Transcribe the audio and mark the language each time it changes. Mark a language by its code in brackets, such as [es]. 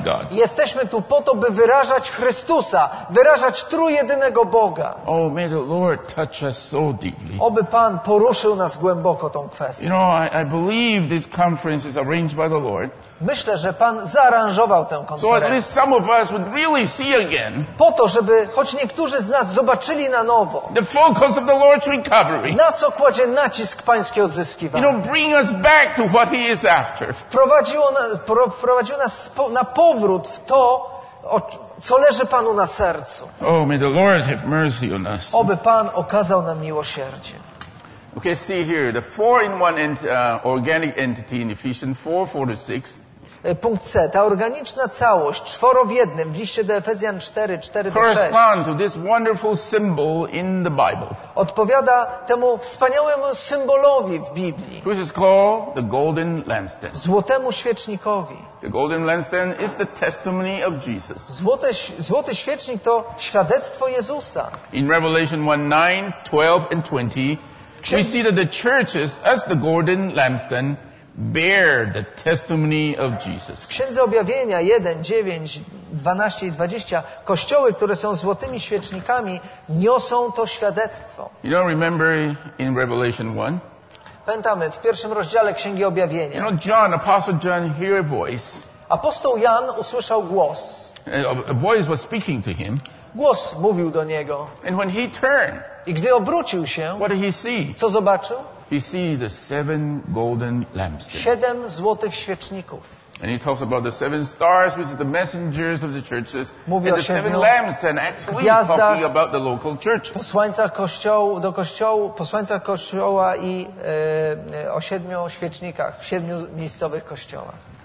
[pl] Jesteśmy tu po to, by wyrażać Chrystusa, wyrażać trójjedynego Boga. [en] Oh, may the Lord touch us so deeply. [pl] Oby Pan poruszył nas głęboko tą kwestią. [en] You know, I believe this conference is arranged by the Lord. [pl] Myślę, że Pan zaaranżował tę konferencję. [en] So at least some of us would really see again. [pl] Po to, żeby choć niektórzy z nas zobaczyli na nowo. [en] The focus of the Lord's recovery. [pl] Na co kładzie nacisk Pańskie odzyskiwanie. [en] You know, bring us back to what he is after. [pl] Wprowadził nas na powrót w to, co leży Panu na sercu. [en] Oh, may the Lord have mercy on us. [pl] Oby Pan okazał nam miłosierdzie. [en] Okay, see here, the four in one organic entity in Ephesians 4, 4 to 6. [pl] Punkt C. Ta organiczna całość, czworo w jednym, w liście do Efezjan 4, 4 do 6. [en] Correspond to this wonderful symbol in the Bible. [pl] Odpowiada temu wspaniałemu symbolowi w Biblii. [en] Which is called the golden lampstand. [pl] Złotemu świecznikowi. [en] The golden lampstand is the testimony of Jesus. [pl] Złoty świecznik to świadectwo Jezusa. [en] In Revelation 1, 9, 12 and 20, we see that the churches as the golden lampstand bear the testimony of Jesus. [pl] W Księdze Objawienia 1, 9, 12 i 20 kościoły, które są złotymi świecznikami, niosą to świadectwo. [en] You don't remember in Revelation 1? [pl] Pamiętamy, w pierwszym rozdziale Księgi Objawienia. [en] You know, John, Apostle John, hear a voice. [pl] Apostoł Jan usłyszał głos. [en] A voice was speaking to him. [pl] Głos mówił do niego. [en] And when he turned, [pl] i gdy obrócił się, [en] what did he see? [pl] Co zobaczył? [en] He see the seven golden lampstands. [pl] Siedem złotych świeczników. [en] And he talks about the seven stars, which is the messengers of the churches. [pl] Mówi [en] and the seven lamps, and actually talking about the local churches. [pl] Posłańca kościołu, do kościołu, posłańca kościoła i o siedmiu świecznikach, siedmiu miejscowych kościołach.